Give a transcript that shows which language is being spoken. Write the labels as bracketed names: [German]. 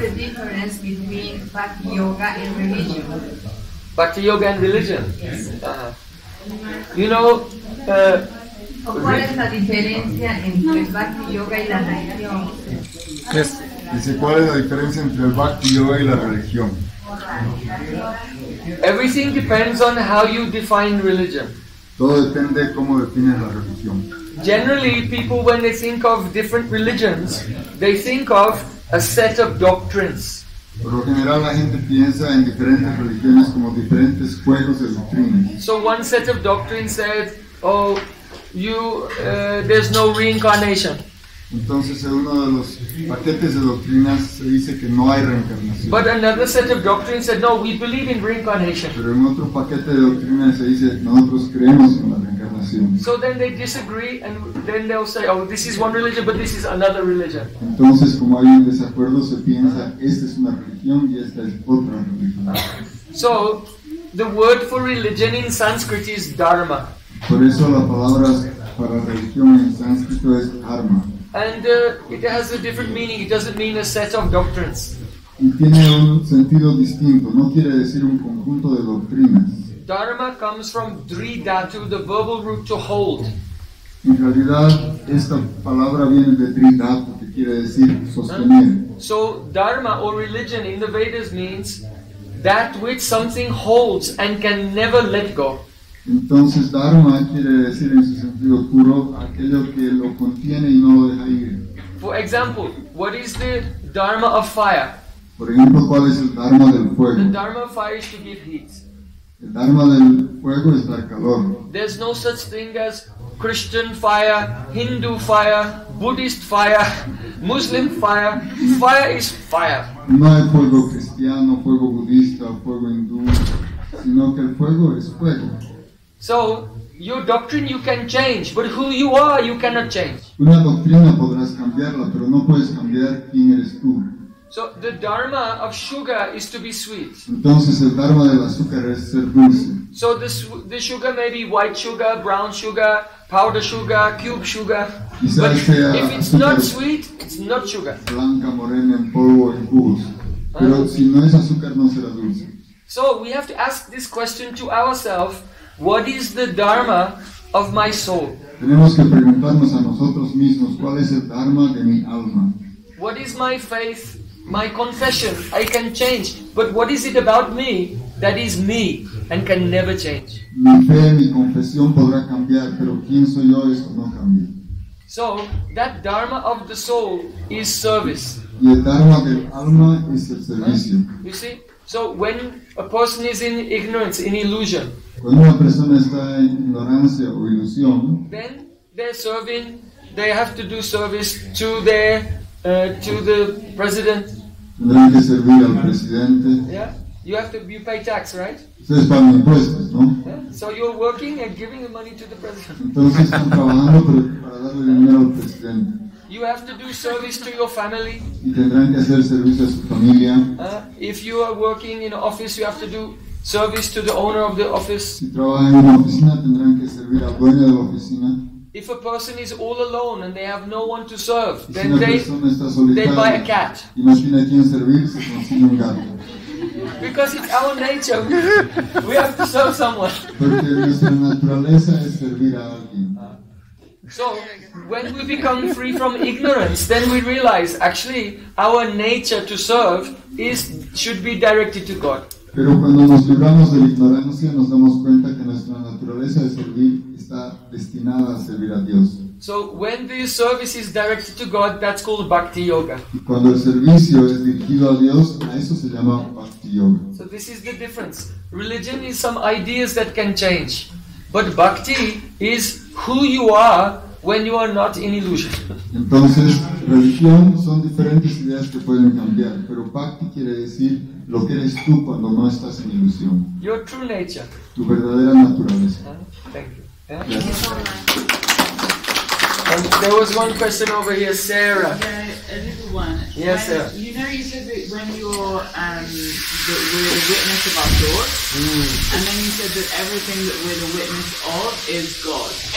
[English] What's the difference between Bhakti Yoga and religion? Bhakti Yoga and religion? Yes. You know... [Spanish] ¿Cuál es la diferencia entre Bhakti Yoga y la religión? [English] Yes. [Spanish] Dice, ¿cuál es la diferencia entre el Bhakti Yoga y la religión? [English] Everything depends on how you define religion. [Spanish] Todo depende de cómo defines la religión. [English] Generally, people when they think of different religions, they think of a set of doctrines. [Spanish] Por lo general, la gente piensa en diferentes religiones como diferentes juegos de doctrinas. [English] So one set of doctrines said, "Oh, there's no reincarnation." [Spanish] Entonces, en uno de los paquetes de doctrinas se dice que no hay reencarnación. [English] But another set of doctrines said, no, we believe in reincarnation. [Spanish] Pero en otro paquete de doctrinas se dice, nosotros creemos en la reencarnación. [English] So then they disagree and then they'll say, oh, this is one religion, but this is another religion. [Spanish] Entonces, como hay un desacuerdo, se piensa, esta es una religión y esta es otra religión. [English] So, the word for religion in Sanskrit is dharma. [Spanish] Por eso la palabra para religión en sánscrito es dharma. [English] And it has a different meaning. It doesn't mean a set of doctrines. [Spanish] Y tiene un sentido distinto. No quiere decir un conjunto de doctrinas. [English] Dharma comes from dridhatu, the verbal root to hold. [Spanish] En realidad, esta palabra viene de dridhatu, que quiere decir sostener. [English] So dharma or religion in the Vedas means that which something holds and can never let go. [Spanish] Entonces dharma quiere decir en su sentido puro aquello que lo contiene y no lo deja ir. [English] For example, what is the dharma of fire? [Spanish] Por ejemplo, ¿cuál es el dharma del fuego? [English] The dharma of fire is to give heat. [Spanish] El dharma del fuego es dar calor. [English] There's no such thing as Christian fire, Hindu fire, Buddhist fire, Muslim fire. Fire is fire. [Spanish] No hay fuego cristiano, fuego budista, fuego hindú, sino que el fuego es fuego. [English] So, your doctrine you can change, but who you are you cannot change. [Spanish] Una doctrina podrás cambiarla, pero no puedes cambiar quién eres tú. [English] So, the dharma of sugar is to be sweet. [Spanish] Entonces, el dharma del azúcar es ser dulce. [English] So, the sugar may be white sugar, brown sugar, powder sugar, cube sugar. [Spanish] Quizás [English] but [Spanish] sea [English] if it's not sweet, it's not sugar. [Spanish] Blanca, morena, en polvo, en cubos. Pero si no es azúcar, no será dulce. [English] So we have to ask this question to ourselves: what is the dharma of my soul? [Spanish] Tenemos que preguntarnos a nosotros mismos cuál es el dharma de mi alma. [English] What is my faith? My confession, I can change, but what is it about me that is me and can never change? [Spanish] Mi fe, mi confesión podrá cambiar, pero quién soy yo, eso no cambia. [English] So that dharma of the soul is service. [Spanish] Y el dharma del alma es el servicio. [English] You see, so when a person is in ignorance, in illusion, [Spanish] cuando una persona está en ignorancia o ilusión, [English] then they're serving. They have to do service to their to the president. [Spanish] Tendrán que servir al presidente. [English] Yeah, you have to, you pay tax, right? [Spanish] Ustedes pagan impuestos, ¿no? [English] Yeah. So you're working and giving the money to the president. [Spanish] Entonces están trabajando para darle dinero al presidente. [English] You have to do service to your family. [Spanish] Y tendrán que hacer servicio a su familia. [English] If you are working in an office, you have to do service to the owner of the office. [Spanish] Si trabajan en una oficina, tendrán que servir al dueño de la oficina. [English] If a person is all alone and they have no one to serve, [Spanish] si [English] then they buy a cat. [Spanish] Imagina quién servir, se consigue un gato. [English] Because it's our nature. We have to serve someone. [Spanish] Porque nuestra naturaleza es servir a alguien. [English] So, when we become free from ignorance, then we realize actually our nature to serve is should be directed to God. [Spanish] Pero cuando nos libramos de la ignorancia, nos damos cuenta que nuestra naturaleza de servir está destinada a servir a Dios. [English] So when the service is directed to God, that's called bhakti yoga. [Spanish] Y cuando el servicio es dirigido a Dios, a eso se llama bhakti yoga. [English] So this is the difference. Religion is some ideas that can change, but bhakti is who you are when you are not in illusion. [Spanish] Entonces, religión son diferentes ideas que pueden cambiar, pero bhakti quiere decir lo que eres tú cuando no estás en ilusión. [English] Your true nature. [Spanish] Tu verdadera naturaleza. [English] Thank you. And there was one question over here, Sarah. Yeah, a little one. Yes, Sarah. You know, you said that when you're that we're the witness of our thoughts, and then you said that everything that we're the witness of is God.